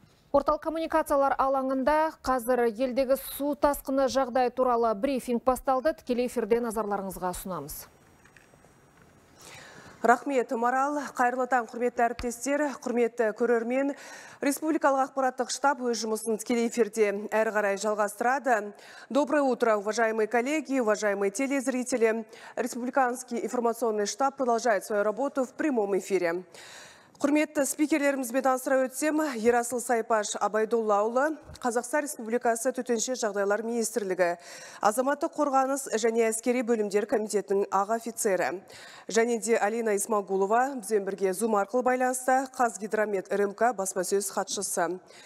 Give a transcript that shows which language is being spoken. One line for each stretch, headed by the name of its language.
Kazakh: Портал коммуникациялар алаңында қазір елдегі су тасқыны жағдай туралы брифинг басталды. Тікелей эфирде назарларыңызға ұсынамыз. Рахмет, Марал. Қайырлы таң, құрметті әріптестер, құрметті көрермен. Республикалық ақпараттық штаб өз жұмысын тікелей эфирде әрі қарай жалғастырады.
Russian: Доброе утро, уважаемые коллеги, уважаемые телезрители. Республиканский информационный штаб продолжает свою работу в прямом эфире.
Kazakh: Құрметті спикерлерімізбен таныстыра өтсем, Ерасыл Сайпаш Абайдоллаулы, Қазақстан Республикасы Төтенше жағдайлар министрлігі, Азаматтық қорғаныс және әскери бөлімдер комитетінің аға офицері, және де Алина Исмагулова, бізден бірге Zoom арқылы байланыста, Қазгидромет РМК баспасөз хатшысы.